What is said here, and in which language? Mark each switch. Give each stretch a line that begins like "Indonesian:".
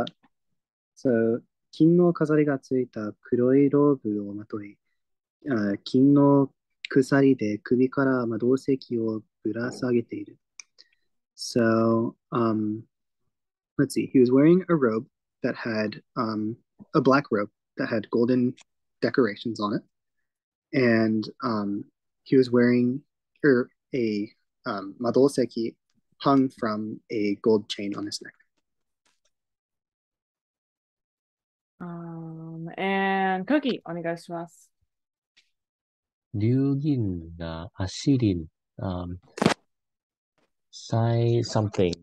English: Right. So,
Japanese: 金の飾りがついた黒いローブをまとい。金の鎖で首から魔導石をぶら下げている。
English: So, let's see. He was wearing a robe that had, a black robe that had golden decorations on it. And he was wearing a 魔導石 hung from a gold chain on his neck. And Cookie,
Japanese: お願いします。龍銀が足輪、
English: Sai something.